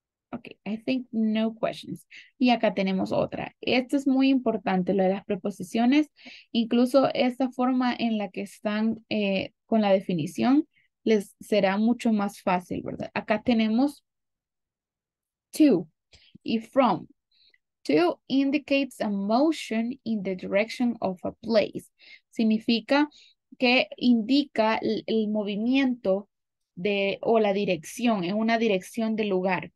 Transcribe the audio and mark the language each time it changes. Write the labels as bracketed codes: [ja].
[en] Okay, I think no questions. [es] Y acá tenemos otra. Esto es muy importante, lo de las preposiciones. Incluso esta forma en la que están con la definición les será mucho más fácil, ¿verdad? Acá tenemos to y from. [en] To indicates a motion in the direction of a place. [es] Significa que indica el movimiento de o la dirección, en una dirección del lugar.